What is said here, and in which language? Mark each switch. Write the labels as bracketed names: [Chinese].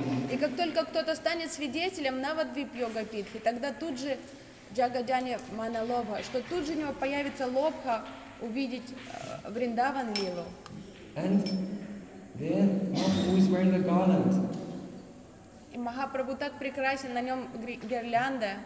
[Russian] И как только кто-то станет свидетелем Навадвип Йога Питхи, тогда тут же Джагадяне Маналобха, что тут же у него появится лобха увидеть Вриндаван Лилу. [English] And there, Mahaprabhu is wearing a garland. [Russian] И Махапрабху так прекрасен, на нем гирлянда.